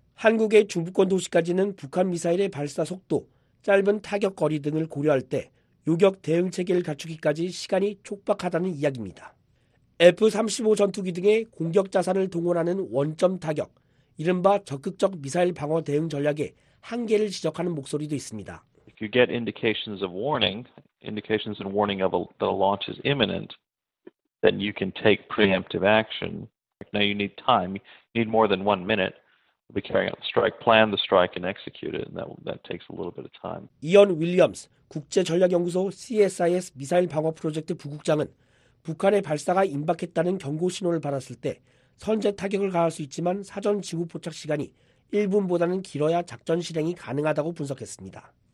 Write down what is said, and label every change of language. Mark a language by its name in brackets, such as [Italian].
[Korean] 한국의 중부권 도시까지는 북한 미사일의 발사 속도, 짧은 타격 거리 등을 고려할 때 요격 대응 체계를 갖추기까지 시간이 촉박하다는 이야기입니다. F-35 전투기 등의 공격 자산을 동원하는 원점 타격, 이른바 적극적 미사일 방어 대응 전략에 한계를 지적하는 목소리도 있습니다. [English] If you get indications of warning, indications and warning of the launch is imminent, then you can take preemptive action. Now you need time, you need more than 1 minute. We'll be carrying out the strike, plan the strike and execute it, and that takes a little bit of time. [Korean] 이언 윌리엄스 국제 전략 연구소 CSIS 미사일 방어 프로젝트 부국장은 북한의 발사가 임박했다는 경고 신호를 받았을 때 선제 타격을 가할 수 있지만 사전 징후 포착 시간이 1분보다는 길어야 작전 실행이 가능하다고 분석했습니다.